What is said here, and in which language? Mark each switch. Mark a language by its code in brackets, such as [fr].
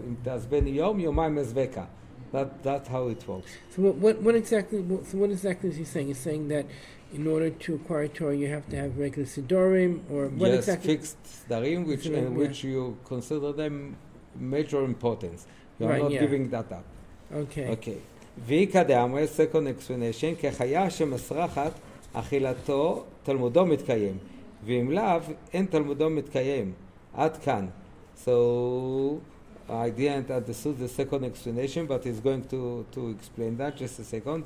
[en] It does ben yom yomai mezveka. That's how it works. So what exactly is he saying? He's saying that in order to acquire Torah, you have to have regular siddurim or what yes, exactly? Fixed siddurim, which you consider them major importance. You're right, not giving that up. Okay. Okay. [he] ויקא דאמרי, [en] second explanation, [he] כחיה שמסרחת אכילתו תלמודו מתקיים. ואם לאו, אין תלמודו מתקיים. עד כאן. [en] So I didn't understand the second explanation, but he's going to explain that just a second.